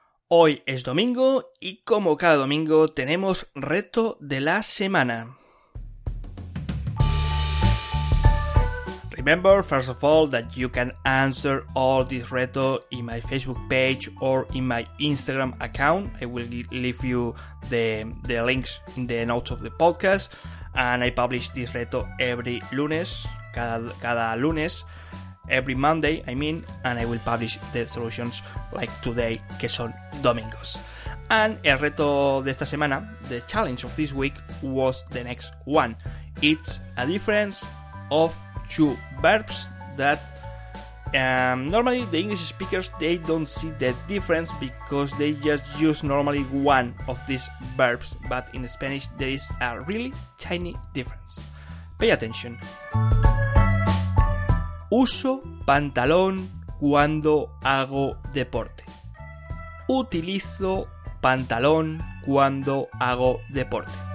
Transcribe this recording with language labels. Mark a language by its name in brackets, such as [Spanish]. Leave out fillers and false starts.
[Spanish] Hoy es domingo y como cada domingo tenemos reto de la semana. [English] Remember, first of all, that you can answer all this reto in my Facebook page or in my Instagram account. I will leave you the links in the notes of the podcast. And I publish this reto every lunes, [Spanish] cada lunes, [English] every Monday, I mean, and I will publish the solutions like today, [Spanish] que son domingos. [English] And [Spanish] el reto de esta semana, [English] the challenge of this week, was the next one. It's a difference of two verbs that normally the English speakers, they don't see the difference because they just use normally one of these verbs, but in Spanish there is a really tiny difference. Pay attention. [Spanish] Uso pantalón cuando hago deporte. Utilizo pantalón cuando hago deporte.